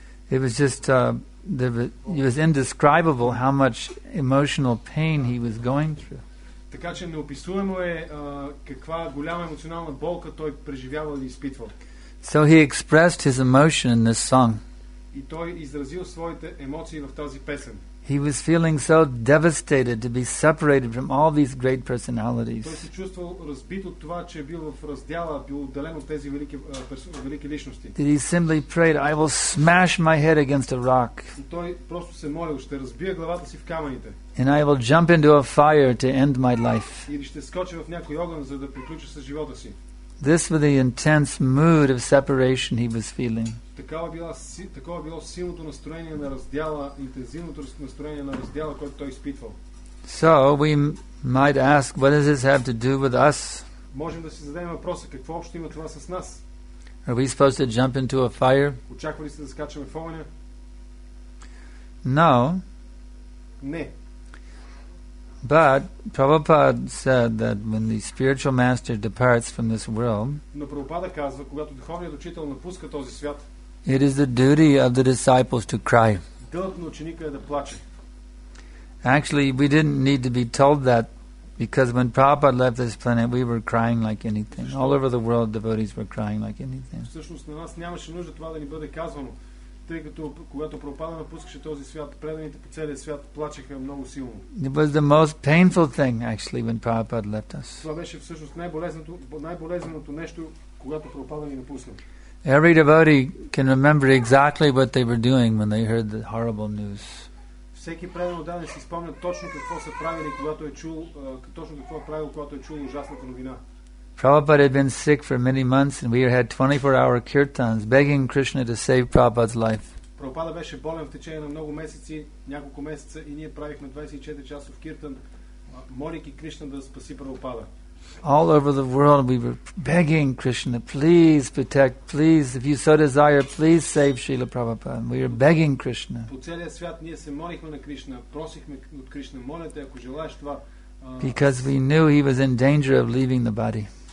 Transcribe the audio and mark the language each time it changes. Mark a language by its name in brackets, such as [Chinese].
[English] It was just it was indescribable how much emotional pain he was going through. [Bulgarian] Така че неописуемо е каква голяма емоционална болка той преживявал и изпитвал. [English] So he expressed his emotion in this song. [Bulgarian] И той изразил своите емоции в тази песен. [English] He was feeling so devastated to be separated from all these great personalities. [Bulgarian] Той се чувствал разбит от това, че е бил в раздяла, бил отделен от тези велики личности. [English] Did he simply prayed, I will smash my head against a rock. [Bulgarian] И той просто се молил, ще разбия главата си в камъните. [English] And I will jump into a fire to end my life. [Bulgarian] И ще скоча в някой огън, за да приключа с живота си. [English] This was the intense mood of separation he was feeling. [Bulgarian] Такова било силното настроение на раздяла, интензивното настроение на раздяла, което той изпитвал. [English] So we might ask, what does this have to do with us? [Bulgarian] Можем да си зададем въпроса, какво общо има това с нас? [English] Are we supposed to jump into a fire? [Bulgarian] Очаквали се да скачаме в огъня? [English] No. [Bulgarian] Не. [English] But Prabhupada said that when the spiritual master departs from this world, [Bulgarian] Но Прабхупада казва, когато духовният учител напуска този свят, [English] it is the duty of the disciples to cry. [Bulgarian] Дълг на ученика е да плаче. [English] Actually, we didn't need to be told that because when Prabhupada left this planet, we were crying like anything. [Bulgarian] Защо? [English] All over the world, devotees were crying like anything. [Bulgarian] Всъщност на нас нямаше нужда това да ни бъде казвано, тъй като когато Прабхупада напускаше този свят, преданите по целия свят плачеха много силно. [English] It was the most painful thing, actually, when Prabhupada left us. [Bulgarian] Това беше всъщност най-болезненото нещо, когато Прабхупада ни напусна. [English] Every devotee can remember exactly what they were doing when they heard the horrible news. [Bulgarian] Всеки преден отдаден си спомня точно какво са правили, когато е чул точно какво е правил, когато е чул ужасната новина. [English] Prabhupada had been sick for many months and we had 24-hour kirtans begging Krishna to save Prabhupada's life. [Bulgarian] Prabhupada беше болен в течение на много месеци, няколко месеца и ние правихме 24-часов киртан, молейки Кришна да спаси Прабхупада. [English] All over the world we were begging Krishna, please protect, please, if you so desire, please save Srila Prabhupada. We were begging Krishna. [Bulgarian] По целия свят ние се молихме на Кришна, просихме от Кришна, моля те, ако желаеш това, [English] because we knew he was in danger of leaving the body.